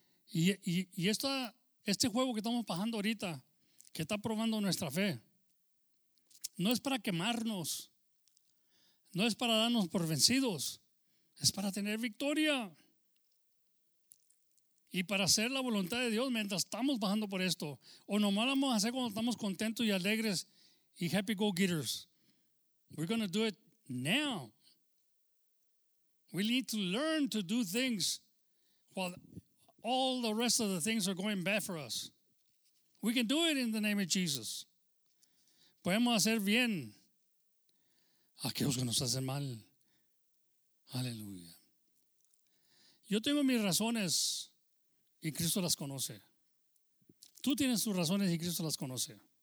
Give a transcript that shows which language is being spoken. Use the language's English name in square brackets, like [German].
[Spanish] Y esta, este juego que estamos pasando ahorita, que está probando nuestra fe, no es para quemarnos, no es para darnos por vencidos, es para tener victoria y para hacer la voluntad de Dios mientras estamos bajando por esto. O nomás lo vamos a hacer cuando estamos contentos y alegres y [English] happy go-getters. We're going to do it now. We need to learn to do things while all the rest of the things are going bad for us. We can do it in the name of Jesus. [Spanish] Podemos hacer bien a aquellos que nos hacen mal. Aleluya. Yo tengo mis razones y Cristo las conoce. Tú tienes tus razones y Cristo las conoce.